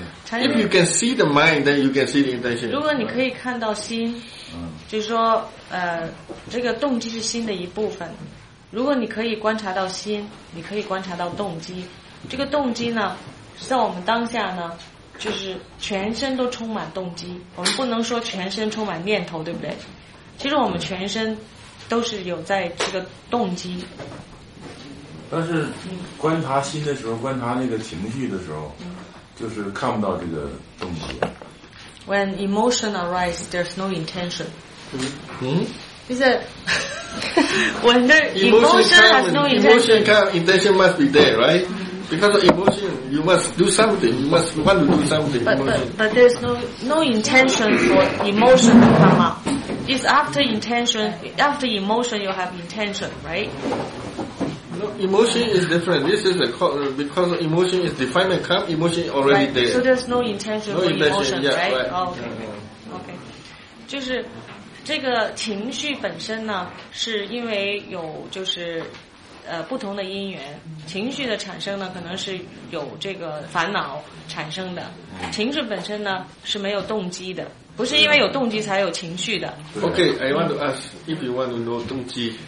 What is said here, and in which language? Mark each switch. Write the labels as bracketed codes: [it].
[en] If you can see the mind, then you can see the intention. [zh] 如果你可以看到心，就是说，这个动机是心的一部分。如果你可以观察到心，你可以观察到动机。这个动机呢，在我们当下呢，就是全身都充满动机。我们不能说全身充满念头，对不对？其实我们全身都是有在这个动机。但是观察心的时候，观察那个情绪的时候，就是看不到这个动机。 [en] When emotion arises, there's no intention. 嗯。 [zh] 就是 [en] when the emotion comes, intention must be there, right? Because of emotion, you must do something. You must want to do something. But there's no intention for emotion to come up. It's after emotion, you have intention, right? No, emotion is different. This is because emotion is defined and come, emotion is already right. there. So there's no intention no for intention, yeah, right? Okay. [zh] 就是这个情绪本身呢，是因为有就是，不同的因缘，情绪的产生呢，可能是有这个烦恼产生的。情绪本身呢是没有动机的，不是因为有动机才有情绪的。 [en] Okay, I want to ask if you want to know 动机。